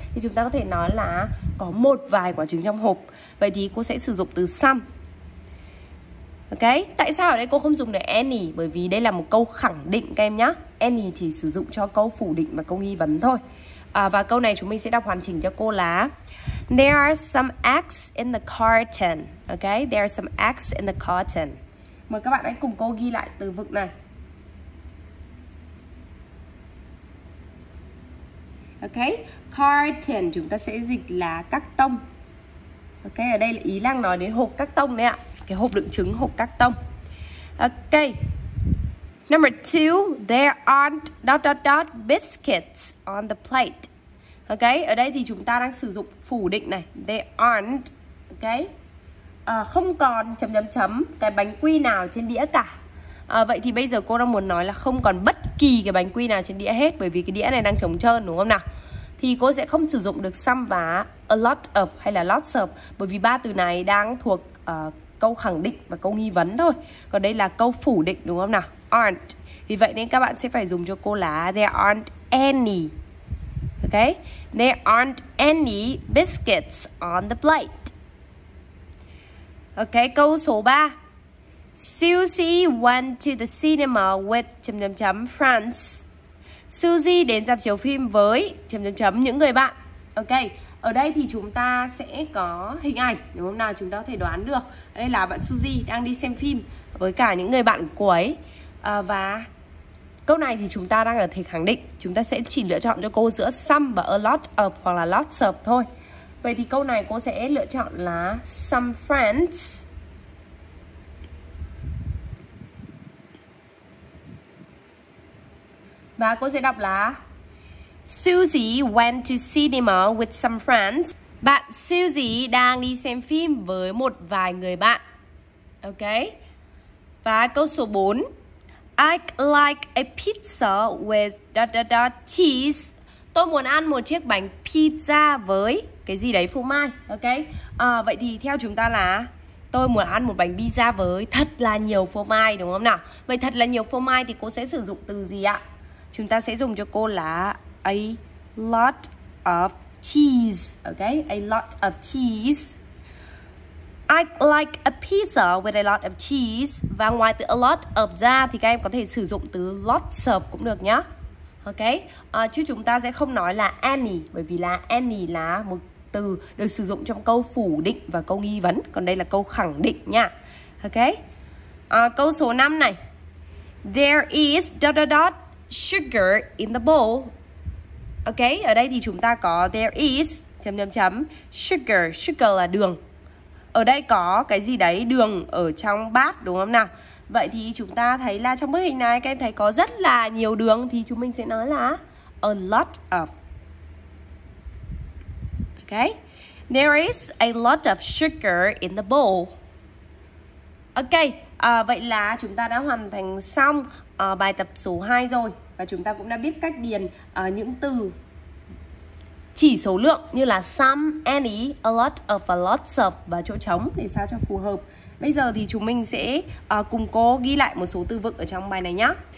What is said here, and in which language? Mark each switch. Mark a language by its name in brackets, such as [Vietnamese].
[Vietnamese] Thì chúng ta có thể nói là có một vài quả trứng trong hộp. Vậy thì cô sẽ sử dụng từ some. Ok, tại sao ở đây cô không dùng được any? Bởi vì đây là một câu khẳng định các em nhá. Any chỉ sử dụng cho câu phủ định và câu nghi vấn thôi. Và câu này chúng mình sẽ đọc hoàn chỉnh cho cô là [English] there are some eggs in the carton. Ok, there are some eggs in the carton. [Vietnamese] Mời các bạn hãy cùng cô ghi lại từ vựng này. Ok, carton chúng ta sẽ dịch là các tông. Ok, ở đây là ý đang nói đến hộp các tông đấy ạ. Cái hộp đựng trứng, hộp các tông. Ok. [English] Number two, there aren't dot dot dot biscuits on the plate. [Vietnamese] Ok, ở đây thì chúng ta đang sử dụng phủ định này. There aren't, ok, không còn chấm chấm chấm cái bánh quy nào trên đĩa cả. Vậy thì bây giờ cô đang muốn nói là không còn bất kỳ cái bánh quy nào trên đĩa hết, bởi vì cái đĩa này đang trống trơn đúng không nào? Thì cô sẽ không sử dụng được some và a lot of hay là lots of, bởi vì ba từ này đang thuộc câu khẳng định và câu nghi vấn thôi. Còn đây là câu phủ định đúng không nào? Aren't. Vì vậy nên các bạn sẽ phải dùng cho cô là [English] there aren't any. Ok? There aren't any biscuits on the plate. [Vietnamese] Ok, câu số 3. [English] Susie went to the cinema with [Vietnamese] chấm chấm chấm [English] friends. [Vietnamese] Susie đến rạp chiếu phim với chấm chấm chấm những người bạn. Ok. Ở đây thì chúng ta sẽ có hình ảnh, đúng không nào? Chúng ta có thể đoán được. Đây là bạn Suzy đang đi xem phim với cả những người bạn của ấy. Và câu này thì chúng ta đang ở thể khẳng định. Chúng ta sẽ chỉ lựa chọn cho cô giữa some và a lot of hoặc là lots of thôi. Vậy thì câu này cô sẽ lựa chọn là some friends. Và cô sẽ đọc là [English] Susie went to cinema with some friends. [Vietnamese] Bạn Susie đang đi xem phim với một vài người bạn. Ok. Và câu số 4. [English] I'd like a pizza with dot dot dot cheese. [Vietnamese] Tôi muốn ăn một chiếc bánh pizza với cái gì đấy, phô mai. Ok. Vậy thì theo chúng ta là tôi muốn ăn một bánh pizza với thật là nhiều phô mai đúng không nào? Vậy thật là nhiều phô mai thì cô sẽ sử dụng từ gì ạ? Chúng ta sẽ dùng cho cô là a lot of cheese. [English] Okay, a lot of cheese. I like a pizza with a lot of cheese. [Vietnamese] Và ngoài từ a lot of ra thì các em có thể sử dụng từ lots of cũng được nhá. Okay, chứ chúng ta sẽ không nói là any, bởi vì là any là một từ được sử dụng trong câu phủ định và câu nghi vấn, còn đây là câu khẳng định nhá. Okay, câu số 5 này. [English] There is dot dot dot sugar in the bowl. [Vietnamese] Ok, ở đây thì chúng ta có there is chấm chấm chấm sugar, sugar là đường. Ở đây có cái gì đấy, đường ở trong bát đúng không nào? Vậy thì chúng ta thấy là trong bức hình này các em thấy có rất là nhiều đường thì chúng mình sẽ nói là a lot of. [English] Ok, there is a lot of sugar in the bowl. [Vietnamese] Ok, vậy là chúng ta đã hoàn thành xong bài tập số 2 rồi. Và chúng ta cũng đã biết cách điền những từ chỉ số lượng như là some, any, a lot of, a lots of và chỗ trống để sao cho phù hợp. Bây giờ thì chúng mình sẽ cùng cô ghi lại một số từ vựng ở trong bài này nhá.